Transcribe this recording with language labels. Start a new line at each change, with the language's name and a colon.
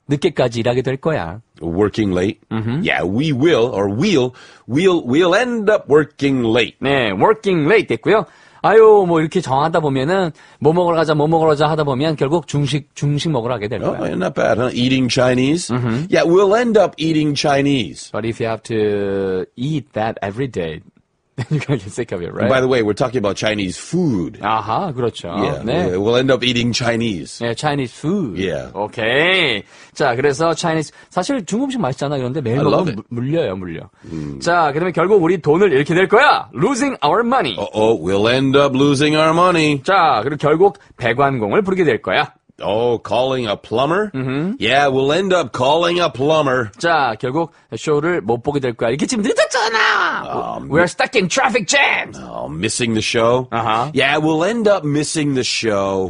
Korean: 늦게까지 일하게 될 거야.
English: Working late. Mm-hmm. Yeah, we will, or we'll end up working late.
Korean: 네,
English: working late
Korean: 됐고요. 아유, 뭐 이렇게 정하다 보면은 뭐 먹으러 가자, 뭐 먹으러 가자 하다 보면 결국 중식 먹으러 하게 될 거야.
English: Oh, not bad, huh? Eating Chinese. Mm-hmm. Yeah, we'll end up eating Chinese. But if you have to eat that every day, then you're going to get sick of it, right? By the way, we're talking about Chinese food.
Korean: 아하, 그렇죠.
English: Yeah, 네. We'll end up eating Chinese. Yeah, Chinese food. Yeah.
Korean: Okay. 자, 그래서 Chinese, 사실 중국식 맛있잖아, 그런데 매일 먹으면 물려요, 물려. 자, 그 다음에 결국 우리 돈을 잃게 될 거야.
English: Losing our money. Uh-oh, we'll end up losing our money.
Korean: 자, 그리고 결국 배관공을 부르게 될 거야.
English: Oh, calling a plumber? Mm-hmm. Yeah, we'll end up calling a plumber.
Korean: 자, 결국 쇼를 못 보게 될 거야. 이게 지금 늦었잖아!
English: We're stuck in traffic jams! Oh, missing the show? Uh-huh. Yeah, we'll end up missing the show.